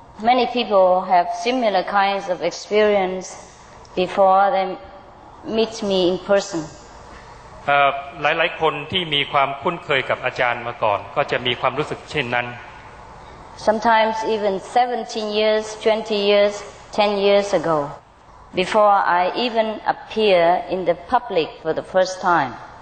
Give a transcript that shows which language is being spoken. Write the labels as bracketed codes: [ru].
[en] Many people have similar kinds of experience before they meet me in person [th] หลายๆคนที่มีความคุ้นเคยกับอาจารย์มาก่อนก็จะมีความรู้สึกเช่นนั้น [en] Sometimes even 17 years 20 years 10 years ago before I even appear in the public for the first time